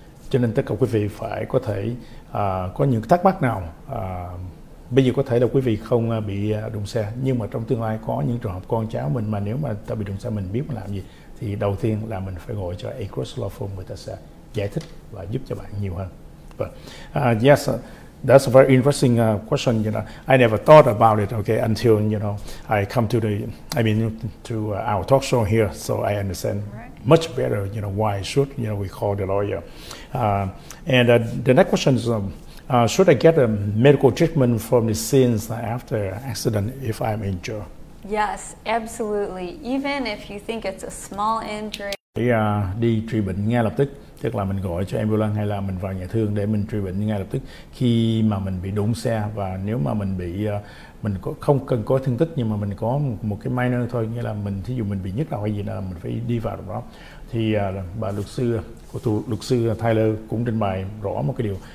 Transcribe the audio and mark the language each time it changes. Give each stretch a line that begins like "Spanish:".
Vietnamese: Cho nên tất cả quý vị phải có thể có những thắc mắc nào. Bây giờ có thể là quý vị không bị đụng xe, nhưng mà trong tương lai có những trường hợp con cháu mình mà nếu mà ta bị đụng xe mình biết mình làm gì, thì đầu tiên là mình phải gọi cho Acros Law Firm, người ta sẽ giải thích và giúp cho bạn nhiều hơn.
English: Yes, that's a very interesting question. You know, I never thought about it. Okay, until you know, I come to the, I mean, to our talk show here, so I understand much better. You know, why should you know we call the lawyer? And the next question is, should I get a medical treatment from the scenes after accident if I'm injured? Yes, absolutely. Even if you think it's a small injury.
Vietnamese: Đi trị bệnh ngay lập tức, tức là mình gọi cho ambulance hay là mình vào nhà thương để mình trị bệnh ngay lập tức khi mà mình bị đụng xe. Và nếu mà mình bị mình có, không cần có thương tích nhưng mà mình có một cái minor thôi, nghĩa là mình thí dụ mình bị nhức đầu hay gì là mình phải đi vào đó, thì bà luật sư của tôi, luật sư Taylor cũng trình bày rõ một cái điều.